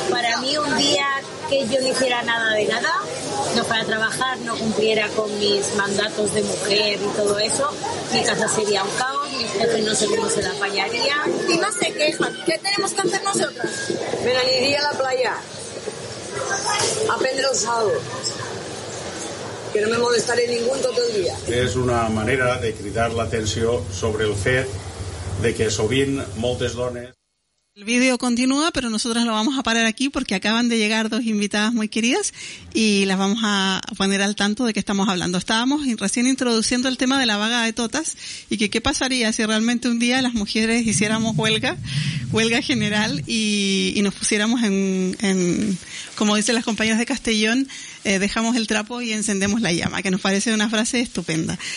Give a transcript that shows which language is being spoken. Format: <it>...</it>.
<es>Para mí un día que yo no hiciera nada de nada no fuera a trabajar, no cumpliera con mis mandatos de mujer y todo eso, mi casa sería un caos, mi jefe no sé cómo se la apañaría. Y más se quejan, ¿qué tenemos que hacer nosotras? Me la iría a la playa, a Pedro Sado. Que no me molestaré ningún todo el día.</es> <ca>És una manera de cridar l'atenció sobre el fet de que sovint moltes dones...</ca> <es>El vídeo continúa, pero nosotros lo vamos a parar aquí porque acaban de llegar dos invitadas muy queridas y las vamos a poner al tanto de qué estamos hablando. Estábamos recién introduciendo el tema de la vaga de totas y que qué pasaría si realmente un día las mujeres hiciéramos huelga general y nos pusiéramos en como dicen las compañeras de Castellón, dejamos el trapo y encendemos la llama, que nos parece una frase estupenda.</es>